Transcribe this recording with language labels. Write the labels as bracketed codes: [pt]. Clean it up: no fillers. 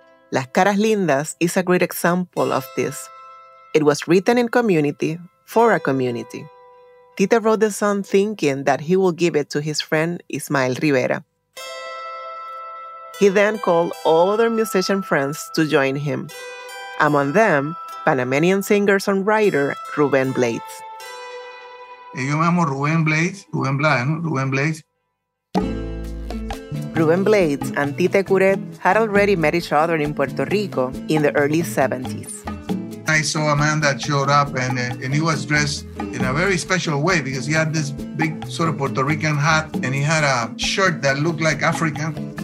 [en] Las Caras Lindas is a great example of this. It was written in community for a community. Tite wrote the song thinking that he will give it to his friend Ismael Rivera. He then called all other musician friends to join him. Among them, Panamanian singer and writer Ruben Blades. [es] Yo me llamo Ruben Blades, Ruben Blades, ¿no? Ruben Blades. [en] Ruben Blades and Tite Curet had already met each other in Puerto Rico in the early 70s. I saw a man that showed up and he was dressed in a very special way because he had this big sort of Puerto Rican hat and he had a shirt that looked like African.